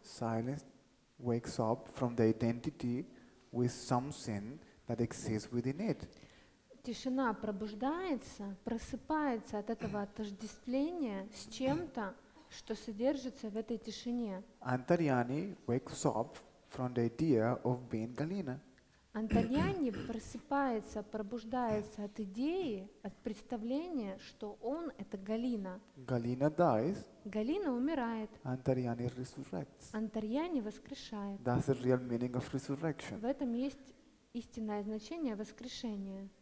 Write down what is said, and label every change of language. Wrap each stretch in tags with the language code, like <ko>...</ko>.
<en>Silence wakes up from the identity with something that exists within it.</en> <ru>Тишина пробуждается, просыпается от этого отождествления с чем-то, что содержится в этой тишине.</ru> <en>Antaryani wakes up from the idea of being Galina.</en> <ru>Антаряни просыпается, пробуждается от идеи, от представления, что он — это Галина.</ru> <en>Galina dies.</en> <ru>Галина умирает.</ru> <en>Antaryani resurrects.</en> <ru>Антаряни воскрешает.</ru> <en>That's the real meaning of resurrection.</en> <ru>В этом есть истинное значение воскрешения.</ru>